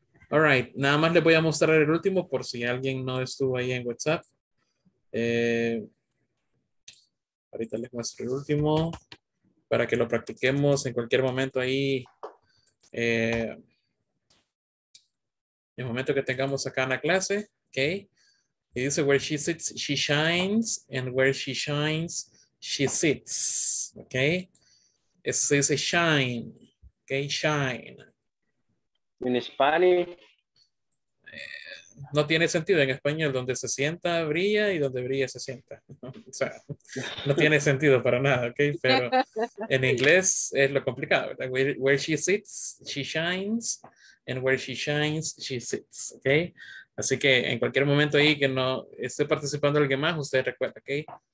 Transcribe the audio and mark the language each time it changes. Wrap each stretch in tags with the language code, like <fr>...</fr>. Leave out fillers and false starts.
<en>All right,</en> <es>nada más les voy a mostrar el último por si alguien no estuvo ahí en WhatsApp. Ahorita les muestro el último para que lo practiquemos en cualquier momento ahí. En el momento que tengamos acá en la clase, ok. Y dice:</es> <en>Where she sits, she shines, and where she shines, she sits.</en> <es>Ok. Eso se dice shine. Ok, shine. En Spanish. No tiene sentido en español, donde se sienta brilla y donde brilla se sienta. O sea, no tiene sentido para nada, ¿ok? Pero en inglés es lo complicado, ¿verdad?</es> <en>Where she sits, she shines, and where she shines, she sits, ¿ok?</en> <es>Así que en cualquier momento ahí que no esté participando alguien más, usted recuerda, ¿ok?</es>